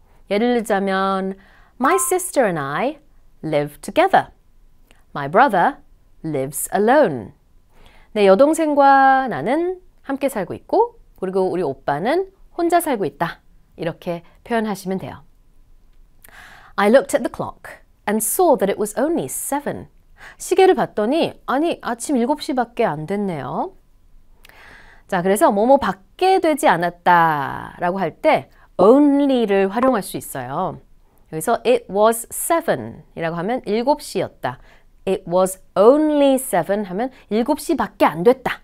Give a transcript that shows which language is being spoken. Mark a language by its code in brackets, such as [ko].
[ko] 예를 들자면 [en] My sister and I live together. My brother lives alone. [ko] 내 여동생과 나는 함께 살고 있고 그리고 우리 오빠는 혼자 살고 있다. 이렇게 표현하시면 돼요. [en] I looked at the clock and saw that it was only 7. [ko] 시계를 봤더니 아니 아침 7시밖에 안 됐네요. 자, 그래서 뭐뭐 밖에 되지 않았다 라고 할 때 only를 활용할 수 있어요. 여기서 [en] it was 7 [ko] 이라고 하면 7시였다. [en] It was only 7 [ko] 하면 7시밖에 안 됐다.